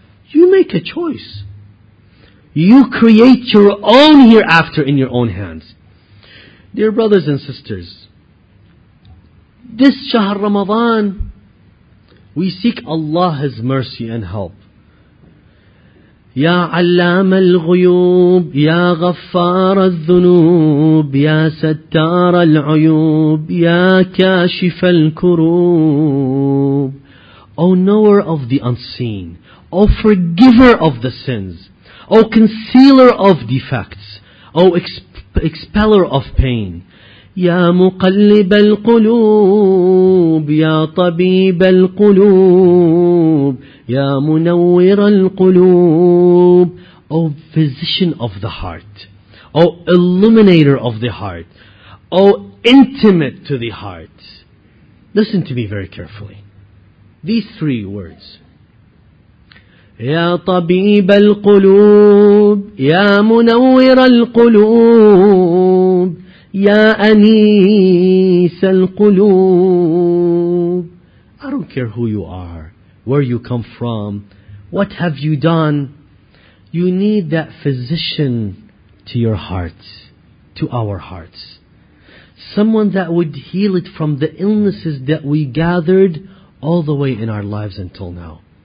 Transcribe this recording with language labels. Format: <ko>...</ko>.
<en>You make a choice. You create your own hereafter in your own hands. Dear brothers and sisters, this Shahr Ramadan, we seek Allah's mercy and help.</en> <ar>يا علام الغيوب يا غفار الذنوب يا ستار العيوب يا كاشف الكروب.</ar> <en>O knower of the unseen, O forgiver of the sins, O concealer of defects, O expeller of pain,</en> <ar>يا مقلب القلوب يا طبيب القلوب يا منور القلوب.</ar> <en>O physician of the heart, O illuminator of the heart, O intimate to the heart. Listen to me very carefully. These three words.</en> <ar>يا طبيب القلوب يا منور القلوب يا أنيس القلوب.</ar> <en>I don't care who you are, where you come from, what have you done. You need that physician to your heart, to our hearts. Someone that would heal it from the illnesses that we gathered all the way in our lives until now.</en>